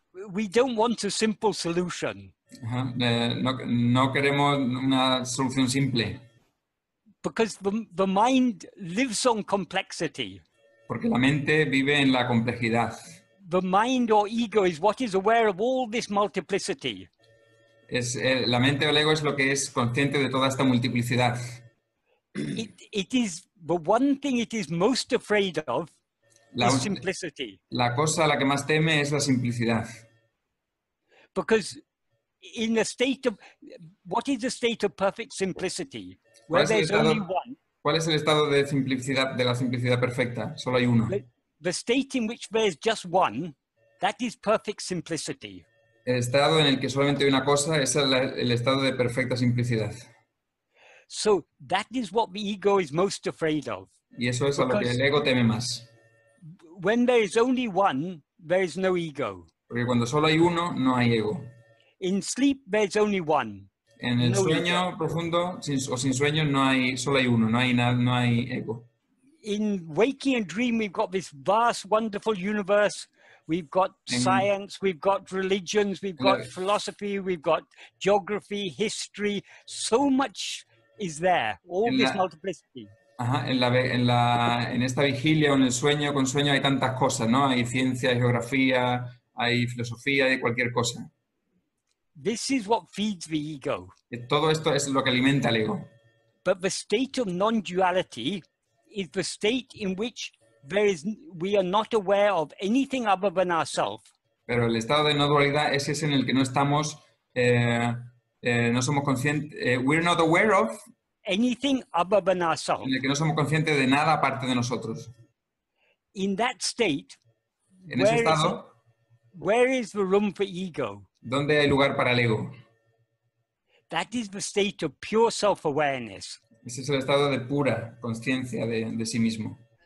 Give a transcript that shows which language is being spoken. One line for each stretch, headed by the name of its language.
English: We don't want a simple solution.
Spanish: No queremos una solución simple.
English: Because the mind lives on complexity.
Spanish: Porque la mente vive en la complejidad.
English: The mind or ego is what is aware of all this multiplicity.
Spanish: La mente o el ego es lo que es consciente de toda esta multiplicidad.
English: It is the one thing it is most afraid of. Simplicity.
Spanish: La cosa a la que más teme es la simplicidad.
English: Because in a state of, what is the state of perfect simplicity? Where there's only one.
Spanish: ¿Cuál es el estado de simplicidad perfecta? Solo hay uno.
English: The state in which there's just one, that is perfect simplicity.
Spanish: El estado en el que solamente hay una cosa es el estado de perfecta simplicidad.
English: So that is what the ego is most afraid of.
Spanish: Y eso es a lo que el ego teme más.
English: when there is only one, there is no ego.
Spanish: Porque cuando solo hay uno, no hay ego.
English: In sleep, there is only one.
Spanish: En el sueño profundo, sin sueño, no hay, solo hay uno, no hay ego.
English: In waking and dream, we've got this vast, wonderful universe. We've got science, we've got religions, we've got philosophy, we've got geography, history. So much is there, all this multiplicity.
Spanish: Ajá, en esta vigilia o en el sueño, con sueño hay tantas cosas, ¿no? Hay ciencia, hay geografía, hay filosofía, hay cualquier cosa.
English: This is what feeds the ego.
Spanish: Todo esto es lo que alimenta el ego.
English: But the state of non-duality is the state in which we are not aware of anything other than ourselves.
Spanish: Pero el estado de no dualidad es ese en el que no estamos, no somos conscientes.
English: We're not aware of anything other than ourselves.
Spanish: En el que no somos conscientes de nada aparte de nosotros.
English: In that state,
Spanish: en ese estado,
English: where is the room for ego?
Spanish: ¿Dónde hay lugar para el ego?
English: That is the state of pure self-awareness.
Spanish: Ese es el estado de pura conciencia de sí mismo.